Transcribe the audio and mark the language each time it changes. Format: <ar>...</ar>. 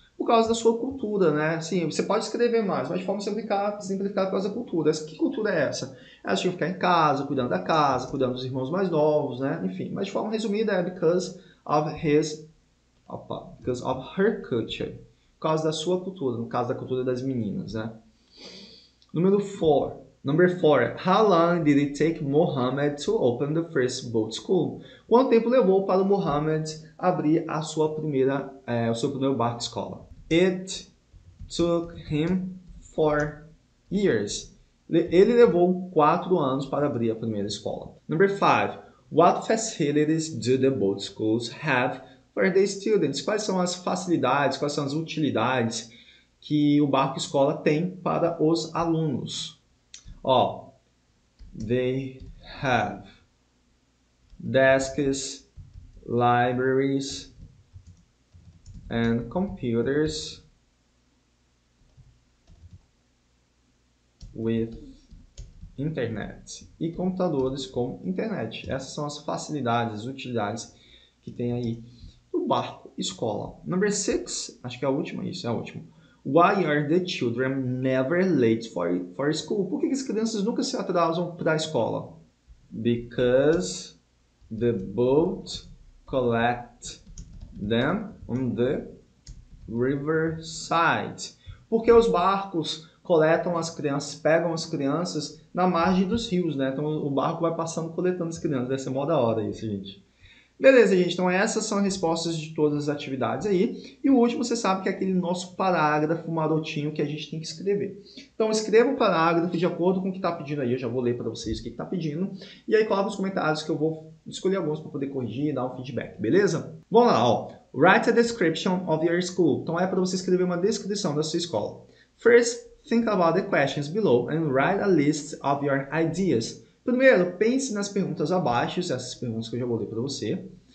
<pt>por causa da sua cultura, né? Assim, você pode escrever mais, mas de forma simplificada por causa da cultura. Que cultura é essa? Elas tinham que ficar em casa, cuidando da casa, cuidando dos irmãos mais novos, né? Enfim, mas de forma resumida é</pt> <en>because of her culture.</en> <pt>Por causa da sua cultura, no caso da cultura das meninas, né?</pt> <en>Number four. How long did it take Mohammed to open the first boat school?</en> <pt>Quanto tempo levou para o Mohammed abrir a sua primeira, o seu primeiro barco escola?</pt> <en>It took him 4 years.</en> <pt>Ele levou 4 anos para abrir a primeira escola.</pt> <en>Number five. What facilities do the boat schools have for the students?</en> <pt>Quais são as facilidades, quais são as utilidades que o barco escola tem para os alunos?</pt> <en>Ó, they have desks, libraries, and computers with internet.</en> <pt>E computadores com internet. Essas são as facilidades, as utilidades que tem aí no barco escola.</pt> <en>Number six,</en> <pt>acho que é a última, isso é a última.</pt> <en>Why are the children never late for school?</en> <pt>Por que as crianças nunca se atrasam para a escola?</pt> <en>Because the boat collects them on the riverside.</en> <pt>Porque os barcos coletam as crianças, pegam as crianças na margem dos rios, né? Então o barco vai passando coletando as crianças. Deve ser mó da hora isso, gente. Beleza, gente. Então, essas são as respostas de todas as atividades aí. E o último, você sabe que é aquele nosso parágrafo marotinho que a gente tem que escrever. Então, escreva o parágrafo de acordo com o que está pedindo aí. Eu já vou ler para vocês o que está pedindo. E aí, coloca nos comentários que eu vou escolher alguns para poder corrigir e dar um feedback, beleza? Vamos lá, ó.</pt> <en>Write a description of your school.</en> <pt>Então, é para você escrever uma descrição da sua escola.</pt> <en>First, think about the questions below and write a list of your ideas.</en> <pt>Primeiro, pense nas perguntas abaixo, essas perguntas que eu já vou ler para você.</pt>